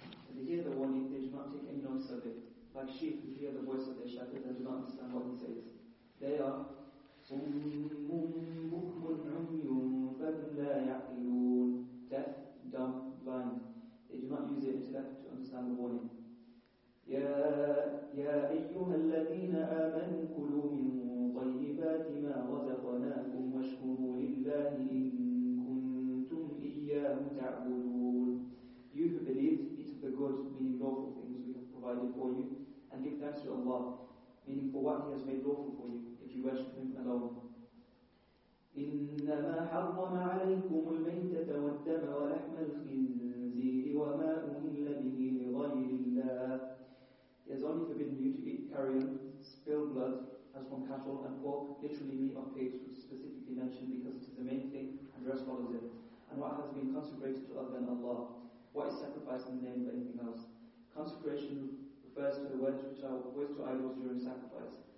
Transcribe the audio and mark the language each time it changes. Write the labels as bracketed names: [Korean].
[English] When they hear the warning, they do not take any notice of it, like sheep who hear the voice of their shepherd and do not understand what he says. They are deaf, dumb, blind. They do not use their intellect to understand the warning. [Arabic] يا أيها الذين آمنوا كلوا من طيبات ما رزقناكم واشكروا لله إن كنتم إياه تعبدون. [English] You who believe, eat of the good, meaning lawful things we have provided for you, and give thanks to Allah, meaning for what He has made lawful for you, if you worship Him alone. [Arabic] إنما حرم عليكم الميتة والدم ولحم الخنزير وما أهل به لغير الله. [English] It is only forbidden you to eat carrion, spilled blood, as from cattle, and pork, literally meat of pigs, which is specifically mentioned because it is the main thing, and the rest follows it, and what has been consecrated to other than Allah. What is sacrificed in the name of anything else? Consecration refers to the words which are voiced to idols during sacrifice.